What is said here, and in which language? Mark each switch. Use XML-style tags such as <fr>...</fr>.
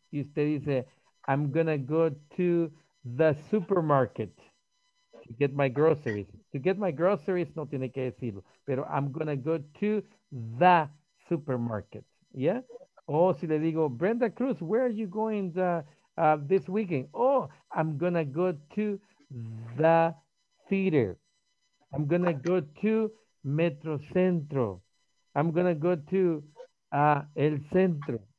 <es>Y usted dice,</es> <en>I'm going to go to the supermarket to get my groceries. To get my groceries,</en> <es>no tiene que decirlo. Pero</es> <en>I'm going to go to the supermarket. Yeah?</en> <es>O si le digo,</es> <en>Brenda Cruz, where are you going this weekend? Oh, I'm going to go to the theater. I'm going to go to Metro Centro. I'm going to go to El Centro.</en>